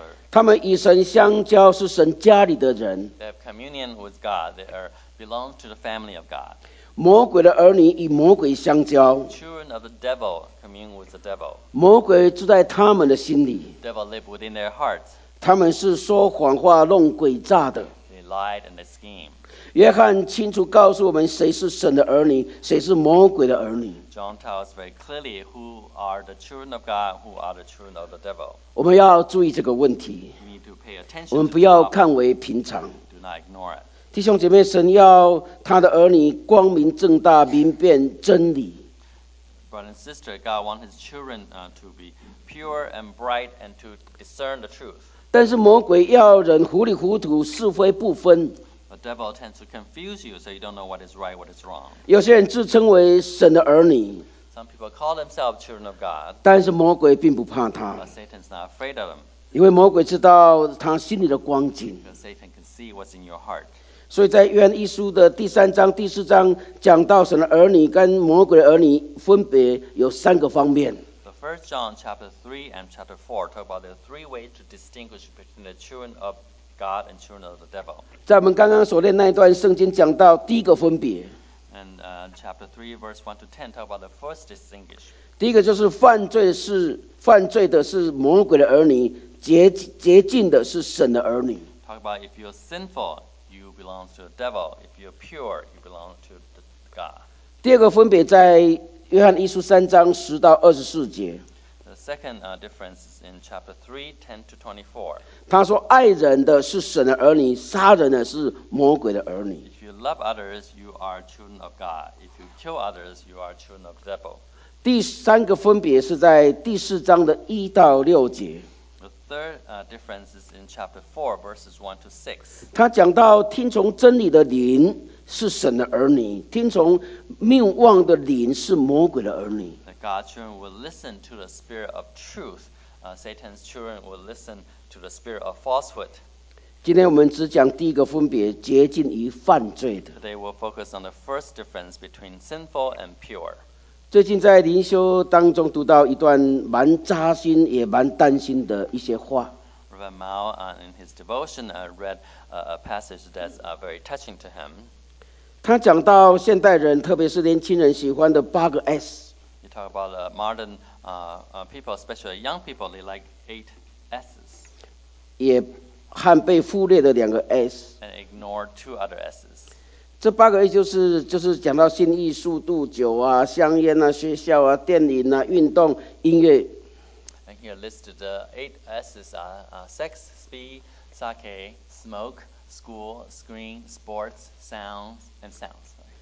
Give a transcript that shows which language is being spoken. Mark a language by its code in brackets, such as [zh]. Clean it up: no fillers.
[zh] 他们与神相交是神家里的人。 [en] They have communion with God. They are belong to the family of God. [zh] 魔鬼的儿女与魔鬼相交。 [en] Children of the devil commune with the devil. [zh] 魔鬼住在他们的心里。 [en] Devil live within their hearts. [zh] 他们是说谎话、弄诡诈的。 [en] They lied and they scheme. [zh] 约翰清楚告诉我们谁是神的儿女，谁是魔鬼的儿女。 [en] John tells us very clearly who are the children of God, who are the children of the devil. [zh] 我们要注意这个问题。 [en] We need to pay attention. [zh] 我们不要看为平常。 [en] Do not ignore it. [zh] 弟兄姐妹，神要他的儿女光明正大，明辨真理。 [en] Brother and sister, God wants his children to be pure and bright and to discern the truth. [zh] 但是魔鬼要人糊里糊涂，是非不分。 [en] The devil tends to confuse you so you don't know what is right, what is wrong. [zh] 有些人自称为神的儿女。 [en] Some people call themselves children of God. [zh] 但是魔鬼并不怕他。 [en] But Satan's not afraid of them. [zh] 因为魔鬼知道他心里的光景。 [en] Because Satan can see what's in your heart. [zh] 所以在约翰一书的第三章、第四章讲到神的儿女跟魔鬼的儿女分别有三个方面。 [en] The first John chapter 3 and chapter 4 talk about the three ways to distinguish between the children of God and children of the devil. [zh] 在我们刚刚所念那一段圣经讲到第一个分别。 [en] And chapter 3, verse 1 to 10, talk about the first distinguish. [zh] 第一个就是犯罪的是魔鬼的儿女，洁净的是神的儿女。 [en] Talk about if you're sinful, you belong to the devil. If you're pure, you belong to the God. [zh] 第二个分别在约翰一书三章十到二十四节。 [en] The second difference is in chapter 3, 10 to 24. [zh] 他说爱人的是神的儿女，杀人的是魔鬼的儿女。 [en] If you love others, you are children of God. If you kill others, you are children of the devil. [zh] 第三个分别是在第四章的一到六节。 [en] The third difference is in chapter 4, verses 1 to 6. [zh] 他讲到听从真理的灵是神的儿女，听从命妄的灵是魔鬼的儿女。 [en] The God's children will listen to the spirit of truth. Satan's children will listen to the spirit of falsehood. [zh] 今天我们只讲第一个分别，洁净于犯罪的。 [en] Today we'll focus on the first difference between sinful and pure. [zh] 最近在灵修当中读到一段蛮扎心也蛮担心的一些话。 [en] Reverend Mao, in his devotion, read a passage that's very touching to him. [zh] 他讲到现代人，特别是年轻人喜欢的八个 S. [en] He talked about the modern people, especially young people, they like eight S's. [zh] 也和被忽略的两个 S. [en] And ignore two other S's. [zh] 这八个 A 就是讲到性欲、速度、酒啊、香烟啊、学校啊、电影啊、运动、音乐。 [en] And here listed the eight S's are sex, speed, sake, smoke, school, screen, sports, sounds, and sounds.